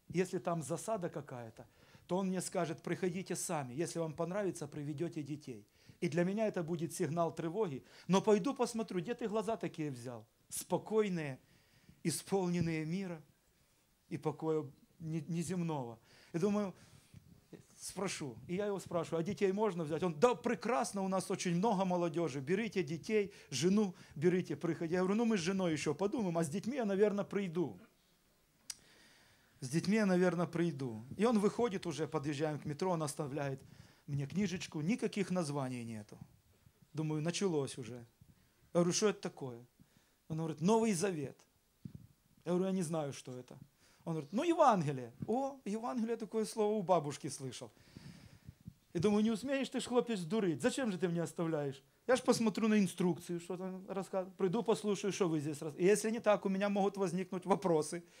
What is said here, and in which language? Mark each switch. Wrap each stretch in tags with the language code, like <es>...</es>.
<ru>Если там засада какая-то, то он мне скажет, приходите сами. Если вам понравится, приведете детей. И для меня это будет сигнал тревоги. Но пойду посмотрю, где ты глаза такие взял? Спокойные, исполненные мира.</ru> <uk>і покою неземного. І думаю, спрошу. І я його спрашиваю, а дітей можна взяти? Він, да, прекрасно, у нас дуже багато молодежі. Беріть дітей, жену беріть, приходьте. Я говорю, ну ми з жіною ще подумаємо, а з дітьми я, мабуть, прийду. З дітьми я, мабуть, прийду. І він виходить уже, під'їжджаємо к метро, він оставляє мені книжечку, ніяких названий нету. Думаю, почалось уже. Я говорю, що це таке? Він говорить, Новий Завет. Я говорю, я не знаю, що це.</uk> <ru>Он говорит, ну, Евангелие. О, Евангелие, такое слово у бабушки слышал. И думаю, не усмеешь ты ж, хлопец, дурить. Зачем же ты меня оставляешь? Я ж посмотрю на инструкцию, что там рассказывают. Приду, послушаю, что вы здесь рассказываете. Если не так, у меня могут возникнуть вопросы.</ru>